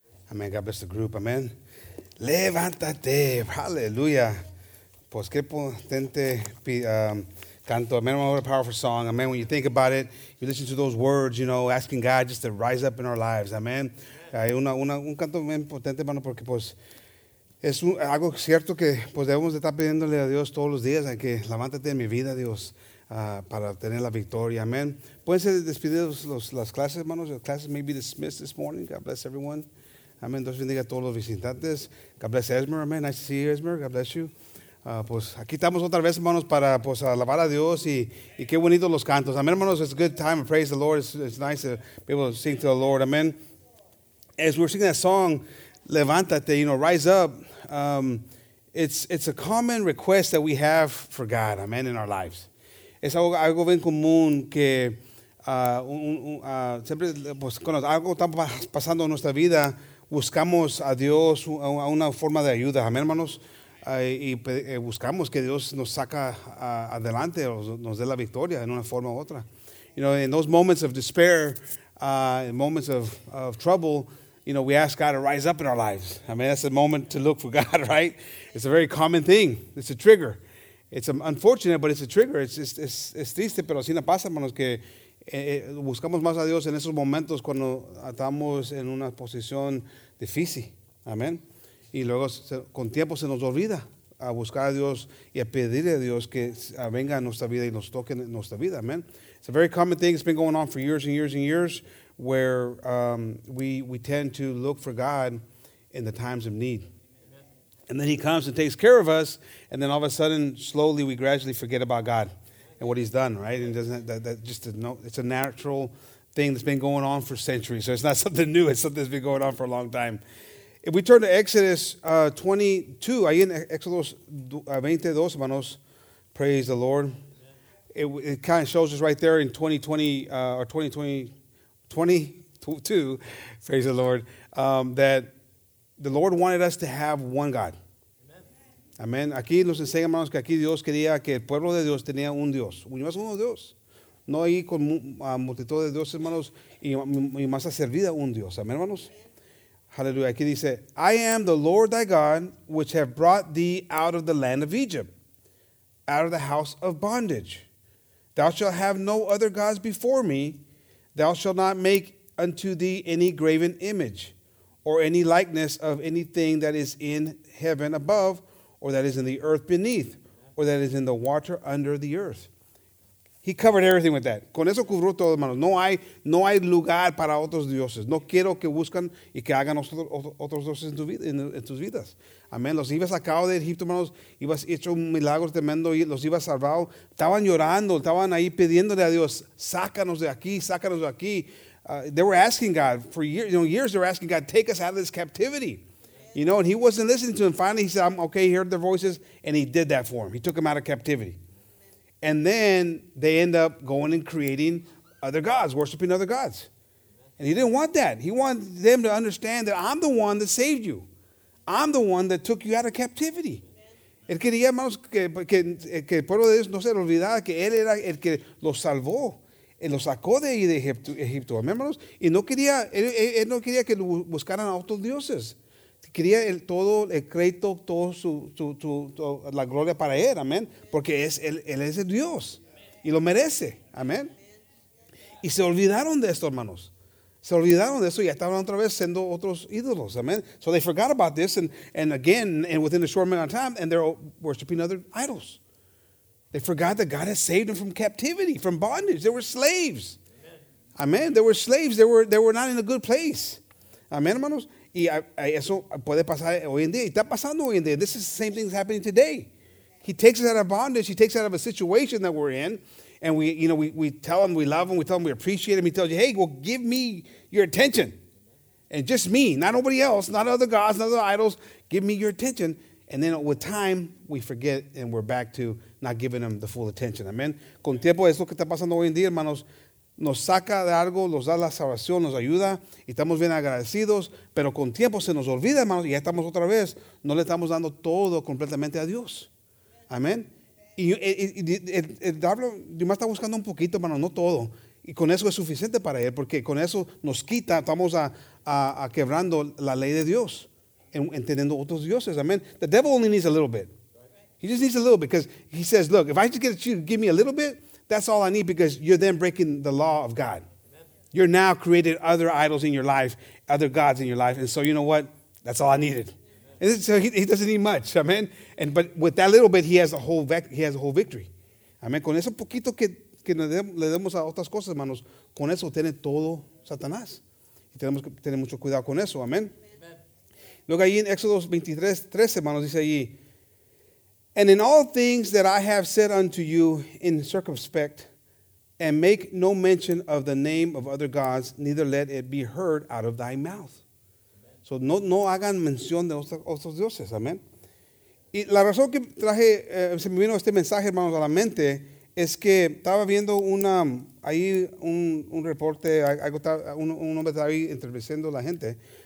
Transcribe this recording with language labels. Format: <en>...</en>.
<es>Amen. Amen. Levántate. Hallelujah. Pues qué potente canto. Amen.</es> <en>What a powerful song.</en> <es>Amen.</es> <en>When you think about it, you listen to those words, you know, asking God just to rise up in our lives. Amen.</en> <es>Hay un canto bien potente, hermano, porque pues es algo cierto que pues debemos de estar pidiéndole a Dios todos los días, que levántate en mi vida, Dios, para tener la victoria.</es> <en>Amen.</en> <es>Pueden ser despedidos las clases, hermanos.</es> <en>The classes may be dismissed this morning. God bless everyone. Amen.</en> <es>Dios bendiga a todos los visitantes.</es> <en>God bless Esmer. Amen. Nice to see you, Esmer. God bless you.</en> <es>Pues aquí estamos otra vez, hermanos, para pues alabar a Dios y qué bonitos los cantos.</es> <en>Amen, hermanos. It's a good time. Praise the Lord. It's nice to be able to sing to the Lord. Amen. As we're singing that song, Levántate, you know, rise up. It's a common request that we have for God. Amen. In our lives.</en> <es>Es algo bien común que siempre pues cuando algo está pasando en nuestra vida, buscamos a Dios a una forma de ayuda, amén, hermanos, y buscamos que Dios nos saca adelante o nos dé la victoria en una forma u otra.</es> <en>You know, in those moments of despair, in moments of trouble, you know, we ask God to rise up in our lives. I mean, that's a moment to look for God, right? It's a very common thing. It's a trigger. It's unfortunate, but it's a trigger. It's</en> <es>triste, pero así no pasa, hermanos, que buscamos más a Dios en esos momentos cuando estamos en una posición difícil, amén. Y luego con tiempo se nos olvida a buscar a Dios y a pedirle a Dios que venga a nuestra vida y nos toque en nuestra vida, amén.</es> <en>It's a very common thing. It's been going on for years and years and years where we tend to look for God in the times of need. And then he comes and takes care of us, and then all of a sudden, slowly, we gradually forget about God and what he's done, right? And doesn't that just it's a natural thing that's been going on for centuries. So it's not something new. It's something that's been going on for a long time. If we turn to Exodus 22,</en> <es>ahí en Exodus 22, hermanos,</es> <en>praise the Lord. It kind of shows us right there in 2022, praise the Lord, that the Lord wanted us to have one God. Amén.</en> <es>Aquí nos enseña, hermanos, que aquí Dios quería que el pueblo de Dios tenía un Dios. Uno Dios. No ahí con multitud de Dios, hermanos, y más a servida un Dios. Amén, hermanos. Hallelujah. Aquí dice,</es> <en>I am the Lord thy God, which have brought thee out of the land of Egypt, out of the house of bondage. Thou shalt have no other gods before me. Thou shalt not make unto thee any graven image or any likeness of anything that is in heaven above, or that is in the earth beneath, or that is in the water under the earth. He covered everything with that.</en> <es>Con eso cubrió todo, hermanos. No hay lugar para otros dioses. No quiero que buscan y que hagan otros dioses en tus vidas. Amén. Los ibas sacado de Egipto, hermanos. Ibas hecho un milagro tremendo y los ibas salvado. Estaban llorando. Estaban ahí pidiéndole a Dios, sácanos de aquí, sácanos de aquí.</es> <en>They were asking God for years. You know, years they were asking God, take us out of this captivity. You know, and he wasn't listening to him. Finally, he said, I'm okay, he heard their voices, and he did that for him. He took him out of captivity. And then they end up going and creating other gods, worshiping other gods. And he didn't want that. He wanted them to understand that I'm the one that saved you. I'm the one that took you out of captivity.</en> <es>El quería, hermanos, que el pueblo de Dios no se olvidara que él era el que los salvó. Él los sacó de ahí de Egipto, hermanos. Y no quería, él no quería que buscaran a otros dioses. Quería todo el crédito, toda la gloria para él, amén, porque él es el Dios y lo merece, amén. Y se olvidaron de esto, hermanos, se olvidaron de eso y estaban otra vez siendo otros ídolos, amén.</es> <en>So they forgot about this and again and within a short amount of time and they're worshiping other idols. They forgot that God has saved them from captivity, from bondage. They were slaves. Amen. They were slaves. They were not in a good place. Amen, hermanos.</en> <es>Y eso puede pasar hoy en día. Está pasando hoy en día.</es> <en>This is the same thing that's happening today. He takes us out of bondage. He takes us out of a situation that we're in. And we tell him we love him. We tell him we appreciate him. He tells you, hey, well, give me your attention. And just me, not nobody else, not other gods, not other idols. Give me your attention. And then with time, we forget and we're back to not giving them the full attention. Amen.</en> <es>Con tiempo es lo que está pasando hoy en día, hermanos. Nos saca de algo, nos da la salvación, nos ayuda. Y estamos bien agradecidos. Pero con tiempo se nos olvida, hermanos. Y ya estamos otra vez. No le estamos dando todo completamente a Dios. Amén. Y el diablo, Dios está buscando un poquito, hermano, no todo. Y con eso es suficiente para él. Porque con eso nos quita, estamos a quebrando la ley de Dios. En teniendo otros dioses. Amén.</es> <en>The devil only needs a little bit. He just needs a little bit. Because he says, look, if I just get you to give me a little bit, that's all I need, because you're then breaking the law of God. Amen. You're now creating other idols in your life, other gods in your life. And so you know what? That's all I needed. And so he doesn't need much. Amen. And but with that little bit, he has a whole victory. Amen.</en> <es>Con eso poquito que le demos a otras cosas, hermanos, con eso tiene todo Satanás. Y tenemos que tener mucho cuidado con eso. Amen. Luego ahí en Éxodo 23, 13, hermanos, dice allí,</es> <en>and in all things that I have said unto you in circumspect, and make no mention of the name of other gods, neither let it be heard out of thy mouth.</en> <es>Amen. So no hagan mención de otros dioses. Amen. Y la razón que traje, se me vino este mensaje, hermanos, a la mente, es que estaba viendo un reporte, un hombre estaba ahí entrevistando a la gente.</es>